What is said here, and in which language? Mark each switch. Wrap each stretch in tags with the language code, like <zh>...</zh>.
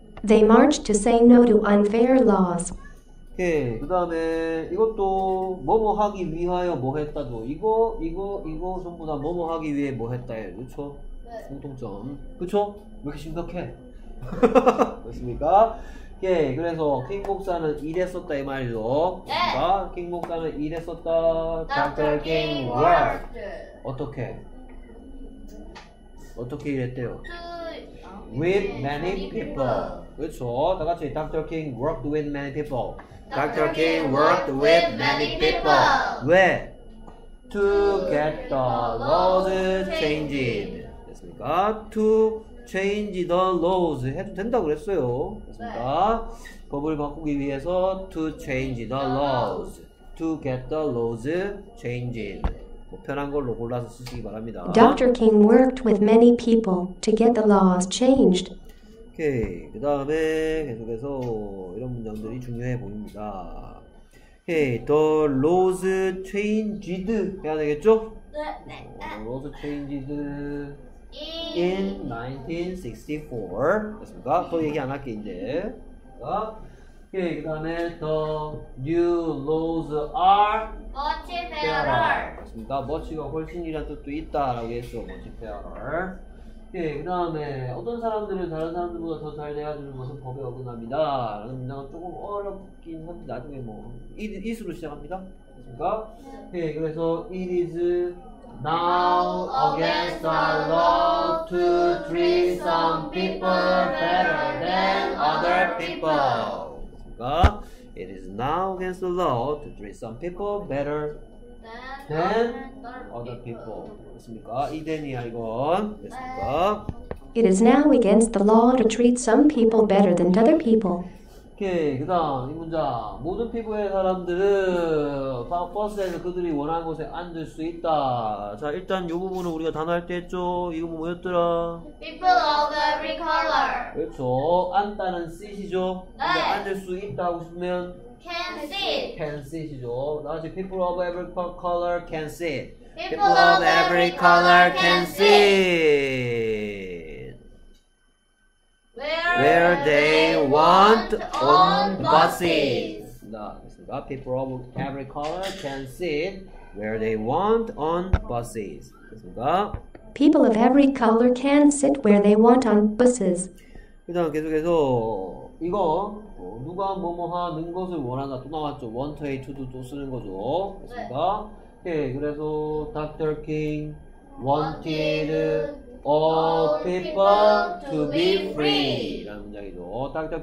<en>They marched to say no to unfair laws.</en> <ko>오케이. 그 다음에 이것도 뭐뭐 하기 위하여 뭐 했다도. 이거 전부 다 뭐뭐 하기 위해 뭐 했다예요. 그렇죠? 네. 공통점. 그렇죠? 왜 이렇게 심각해? 그렇습니까? 예, 그래서 킹 목사는 이랬었다 이 말이죠. 네. 킹 목사는 이랬었다.</ko> <en>Dr. King worked.</en> <ko>어떻게 이랬대요?</ko> <en>To with many people.</en> <ko>그렇죠. 다 같이</ko> <en>Dr. King worked with many people. Dr. King worked with many people.</en> <ko>왜?</ko> <en>To get the laws changed.</en> <ko>됐습니까?</ko> <en>To change the laws</en> <ko>해도 된다고 그랬어요. 됐습니까? 법을 바꾸기 위해서</ko> <en>to change the laws. To get the laws changed.</en> <ko>뭐 편한 걸로 골라서 쓰시기 바랍니다.</ko> <en>Dr. King worked with many people to get the laws changed.</en> <ko>오케이. 그 다음에 계속해서 이런 문장들이 중요해 보입니다. 오케이.</ko> <en>The laws changed</en> <ko>해야 되겠죠? 네.</ko> <en>The laws changed in 1964.</en> <ko>됐습니까? 또 얘기 안 할게 이제. 오케이. 그 다음에</ko> <en>The new laws are much fairer.</en> <ko>됐습니까? much가 훨씬이라는 뜻도 있다라고 했어.</ko> <en>much fairer.</en> <ko>예, 그 다음에 어떤 사람들은 다른 사람들보다 더 잘 대해주는 것은 법에 어긋납니다 라는 문장은 조금 어렵긴 한데 나중에 뭐 it으로 시작합니다. 그렇습니까? 예, 그래서</ko> <en>it is now against the law to treat some people better than other people.</en> <ko>그렇습니까?</ko> <en>It is now against the law to treat some people better than other people.</en> <ko>됐습니까? 이덴이야 이건. 됐습니까?</ko> <en>It is now against the law to treat some people better than other people.</en> <ko>오케이. 그 다음 이 문장. 모든 피부의 사람들은 버스에서 그들이 원하는 곳에 앉을 수 있다. 자 일단 이 부분은 우리가 단어할 때 했죠. 이 부분 뭐였더라?</ko> <en>People of every color.</en> <ko>그렇죠. 앉다는 sit이죠. 네. 근데 앉을 수 있다 하고 싶으면</ko> <en>Can sit. Can sit이죠.</en> <ko>나같이</ko> <en>people of every color can sit. People of every color can sit. Where they want on buses.</en> <ko>됐습니다.</ko> <en>People of every color can sit where they want on buses.</en> <ko>됐습니다.</ko> <en>People of every color can sit where they want on buses.</en> <ko>그 다음 계속해서 이거 누가 뭐뭐 하는 것을 원한다 또 나왔죠.</ko> <en>Want a to do</en> <ko>또 쓰는 거죠. 됐습니까? 네. 예, 그래서</ko> <en>Dr. King wanted all people to be free</en> <ko>라는 문장이죠. Dr.</ko>